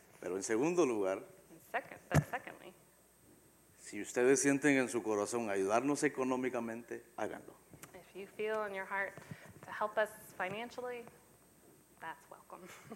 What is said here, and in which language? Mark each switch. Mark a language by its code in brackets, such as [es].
[es] Pero en segundo lugar, [en] secondly, [es] si ustedes sienten en su corazón ayudarnos económicamente, háganlo. [en] If you feel in your heart to help us financially, that's welcome.